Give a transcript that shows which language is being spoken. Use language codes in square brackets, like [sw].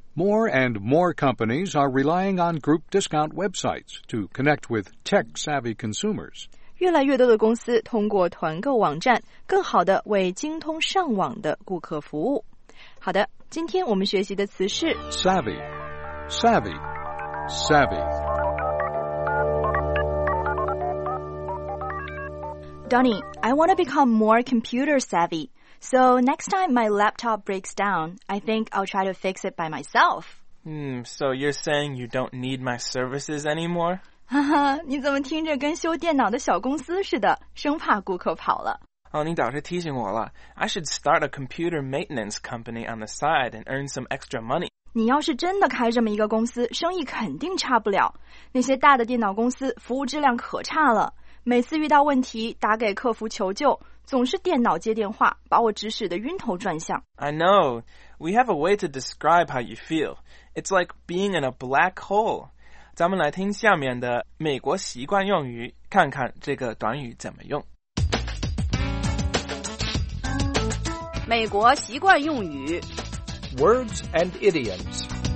[en] More and more companies are relying on group discount websites to connect with tech-savvy consumers. [zh] 越来越多的公司通过团购网站更好地为精通上网的顾客服务。好的，今天我们学习的词是 [en] savvy, savvy, savvy. Donny, I want to become more computer savvy. So next time my laptop breaks down, I think I'll try to fix it by myself. So you're saying you don't need my services anymore? [zh] 哈哈，你怎么听着跟修电脑的小公司似的，生怕顾客跑了。哦，你倒是提醒我了。 [en] I should start a computer maintenance company on the side and earn some extra money. [zh] 你要是真的开这么一个公司，生意肯定差不了。那些大的电脑公司服务质量可差了。每次遇到问题打给客服求救，总是电脑接电话，把我指使得晕头转向。 [en] I know. We have a way to describe how you feel. It's like being in a black hole. [zh] 咱们来听下面的美国习惯用语，看看这个短语怎么用。美国习惯用语 [en] Words and idioms.